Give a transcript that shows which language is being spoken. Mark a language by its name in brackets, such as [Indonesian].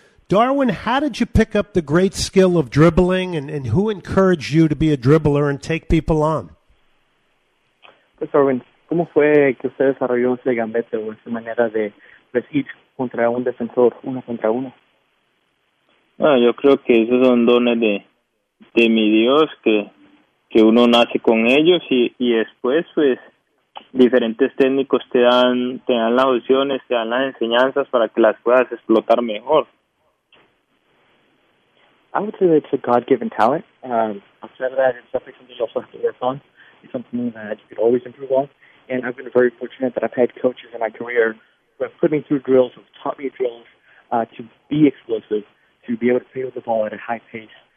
[English] Darwin, how did you pick up the great skill of dribbling, and who encouraged you to be a dribbler and take people on? [Spanish] Pues Darwin, ¿cómo fue que usted desarrolló ese gambete o esa manera de ir contra un defensor, uno contra uno? Ah, yo creo que esos son dones de mi Dios, que uno nace con ellos y después, pues, diferentes técnicos te dan las opciones, te dan las enseñanzas para que las puedas explotar mejor. [English] I would say that it's a God-given talent. Outside of that, it's definitely something you also have to work on. It's something that you could always improve on. And I've been very fortunate that I've had coaches in my career who have put me through drills, who have taught me drills to be explosive, to be able to play with the ball at a high pace.